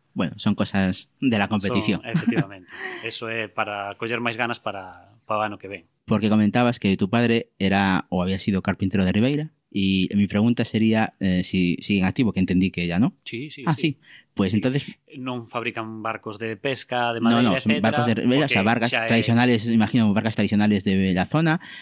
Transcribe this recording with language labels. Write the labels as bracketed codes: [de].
[es] Bueno, son cosas de la competición. Efectivamente. [gl] Eso é para coller máis ganas para o ano que ven. [es] Porque comentabas que tu padre era ou había sido carpintero de Ribeira. Y mi pregunta sería si sigue en activo, que entendí que ya no. Sí, sí. Ah, sí. Pues sí. Entonces... ¿No fabrican barcos de pesca, de madera, etcétera? No, son barcos de Ribeira, okay, o sea, barcas tradicionales, imagino, barcas tradicionales de la zona.